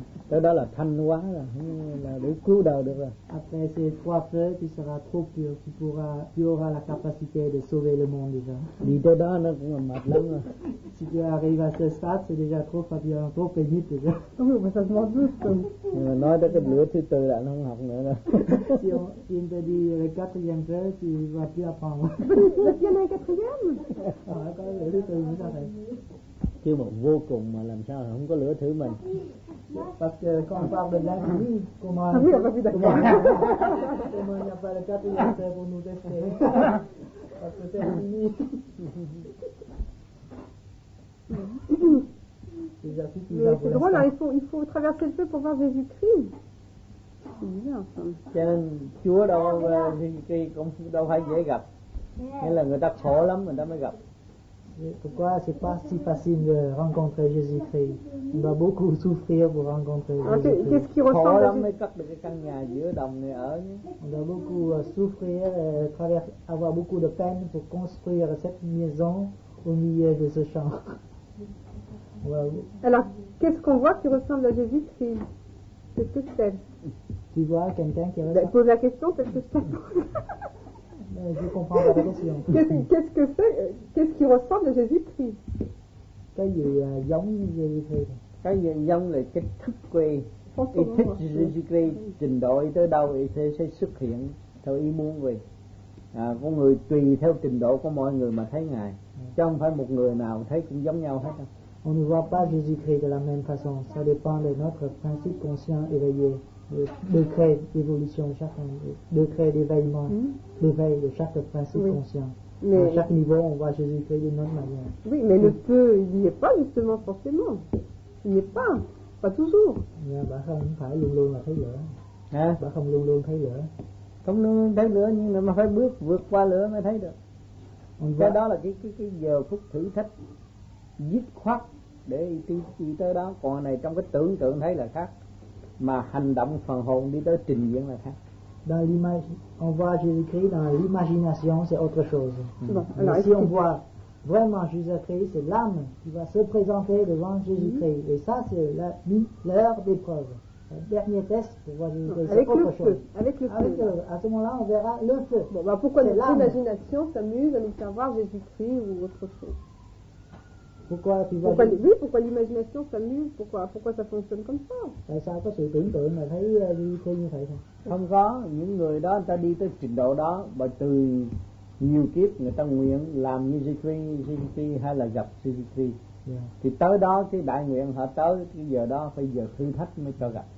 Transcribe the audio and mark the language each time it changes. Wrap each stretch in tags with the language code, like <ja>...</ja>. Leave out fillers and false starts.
<vi>Tới đó là thanh quá là để cứu đời được rồi.</vi> <fr>Après ces trois feux, tu seras trop pur, tu auras la capacité de sauver le monde déjà.</fr> <vi>Đi tới đó nó cũng là mệt lắm rồi.</vi> <fr>Si tu arrives à ce stade, c'est déjà trop fatigant, trop pénible déjà. Oui, mais ça se voit juste.</fr> <vi>Nói tới cái lửa thứ tư là nó không học nữa đâu.</vi> <fr>Si on te dit le quatrième feu, tu ne vas plus apprendre. Il y en a un quatrième.</fr> <vi>Chứ mà vô cùng mà làm sao không có lửa thử mình.</vi> <fr>Parce que quand on parle de l'infini, comment il n'y a pas de quatrième feu pour nous tester. Parce que c'est fini. C'est drôle, il faut traverser le feu pour voir Jésus-Christ.</fr> <vi>Cho nên Chúa đâu phải dễ gặp. Nghĩa là người ta khổ lắm người ta mới gặp.</vi> <fr>Pourquoi c'est pas si facile de rencontrer Jésus-Christ? On doit beaucoup souffrir pour rencontrer Jésus-Christ. On doit beaucoup souffrir et avoir beaucoup de peine pour construire cette maison au milieu de ce champ. Alors, qu'est-ce qu'on voit qui ressemble à Jésus-Christ? Qu'est-ce que c'est? Tu vois quelqu'un qui ressemble. Pose la question, qu'est-ce que c'est? Je comprends la question. Qu'est-ce qui ressemble à Jésus-Christ?</fr> <vi>Cái gì giống Jésus-Christ? Cái gì giống là cái thức quê. Cái thức Jésus-Christ trình độ tới đâu thì sẽ xuất hiện theo ý muốn người. Con người tùy theo trình độ của mọi người mà thấy ngài. Chứ không phải một người nào thấy cũng giống nhau hết.</vi> <fr>On ne voit pas Jésus-Christ de la même façon. Ça dépend de notre principe conscient éveillé. Degré d'évolution de chacun, degré d'éveillement, l'éveil de chaque principe conscient. Mais à chaque niveau, on voit Jésus-Christ d'une autre manière. Oui, mais le feu, il n'y est pas justement forcément. Il n'y est pas toujours.</fr> <vi>Bà không phải luôn luôn là thấy lửa. Hả? Bà không luôn luôn thấy lửa. Không luôn luôn thấy lửa, nhưng mà phải bước vượt qua lửa mới thấy được. Cái đó là cái giờ phút thử thách dứt khoát để đi tới đó. Còn này trong cái tưởng tượng thấy là khác. Mà hành động phần hồn đi tới trình diễn là khác.</vi> <fr>Dans l'imagination, on voit Jésus-Christ dans l'imagination, c'est autre chose. Mais si on voit vraiment Jésus-Christ, c'est l'âme qui va se présenter devant Jésus-Christ. Et ça, c'est l'heure d'épreuve. Le dernier test pour voir Jésus-Christ, c'est autre chose. Avec le feu. Avec le feu. À ce moment-là, on verra le feu. Bon, bah pourquoi l'imagination s'amuse à nous faire voir Jésus-Christ ou autre chose? Pourquoi l'imagination s'amuse, pourquoi ça fonctionne comme ça?</fr> <vi>Tại sao có sự tưởng tượng mà thấy đi thi như vậy? Không có, những người đó người ta đi tới trình độ đó và từ nhiều kiếp người ta nguyện làm như Jesus Christ hay là gặp Jesus Christ. Thì tới đó cái đại nguyện họ tới cái giờ đó phải giờ thử thách mới cho gặp.</vi>